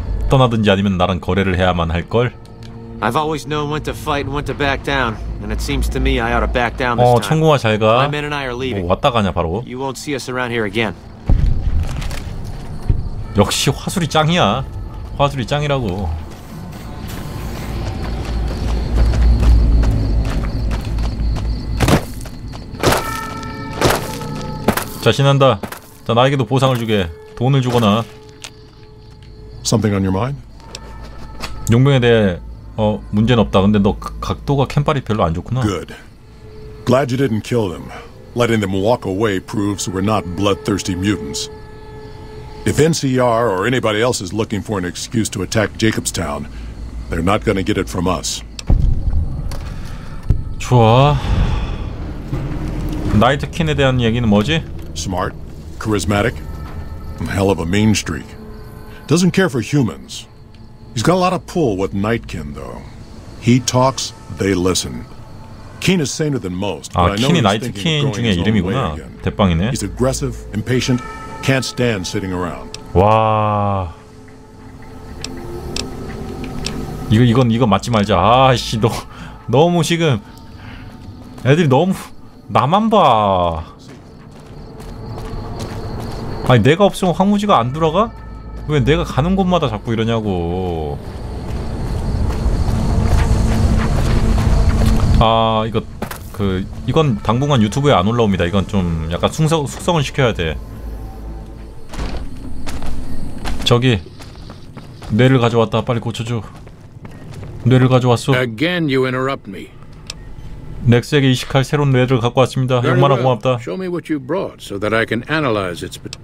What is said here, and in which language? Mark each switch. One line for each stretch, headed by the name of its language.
Korean: 떠나든지 아니면 나랑 거래를 해야만 할 걸.
English: I've always known when to fight and when to back down, and it seems to me I ought to back down this time.
Korean: 어, 천공아 잘 가.
English: My men and I are leaving.
Korean: 어, 왔다 가냐 바로.
English: You won't see us around here again.
Korean: 역시 화술이 짱이야. 화술이 짱이라고. 자, 신난다. 자, 나에게도 보상을 주게. 돈을 주거나.
English: Something on your mind?
Korean: 용병에 대해 문제는 없다. 근데 너 각도가 캠빨이 별로 안 좋구나.
English: Good. Glad you didn't kill them. Letting them walk away proves we're not bloodthirsty mutants. If NCR or anybody else is looking for an excuse to attack Jacobstown, they're not going to get it from us.
Korean: 좋아. 나이트킨에 대한 얘기는 뭐지?
English: Smart, charismatic, and hell of a mean streak. Doesn't care for humans. He's got a lot of pull with Nightkin, though. He talks, they listen. Keen is saner than most.
Korean: 아, 킨이 나이트킨 중에 이름이구나. 대빵이네.
English: He's aggressive, impatient, can't stand sitting around.
Korean: 와. 이거 맞지 말자. 아이씨, 너무 지금 애들이 너무 나만 봐. 아니, 내가 없으면 황무지가 안 들어가? 왜 내가 가는 곳마다 자꾸 이러냐고. 아, 이거 이건 당분간 유튜브에 안 올라옵니다. 이건 좀 약간 숙성을 시켜야 돼. 저기 뇌를 가져왔다. 빨리 고쳐줘. 뇌를 가져왔어.
English: Again you interrupt me.
Korean: 넥스에게 이식할 새로운 뇌를 갖고 왔습니다. 얼마나 고맙다.
English: Show me what you brought so that I can analyze its.